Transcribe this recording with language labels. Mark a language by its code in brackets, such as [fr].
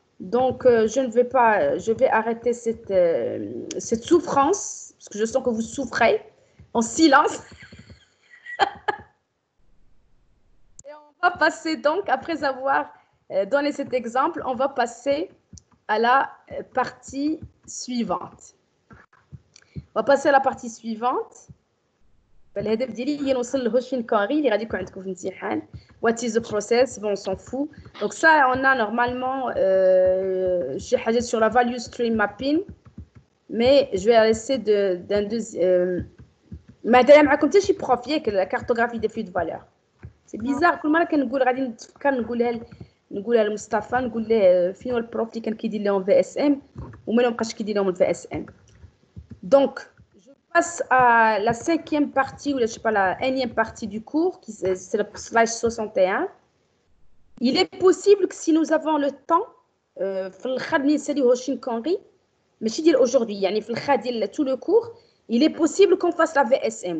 [fr] Donc je vais arrêter cette souffrance parce que je sens que vous souffrez en silence. Et on va passer donc, après avoir donné cet exemple, on va passer à la partie suivante. On va passer à la partie suivante. [ar] L'objectif ديالي هي نوصل لهشين كاري اللي غادي يكون عندكم في الامتحان. [en] What is the process? [fr] Bon, on s'en fout. Donc ça, on a normalement j'ai حاجه sur la value stream mapping, mais je vais laisser d'un deuxième [ar] ما دام معكم حتى شي بروف ياك [fr] la cartographie des flux de valeur. C'est bizarre, [ar] كل مره كنقول غادي نتفكر نقولها لمصطفى, نقول ليه فين هو البروف اللي كان كيدير لهم VSM وما لقاش كيدير لهم VSM. [fr] Donc passe à la cinquième partie ou je sais pas la énième partie du cours qui c'est le slide 61. Il est possible que si nous avons le temps, aujourd'hui, tout le cours, il est possible qu'on fasse la VSM.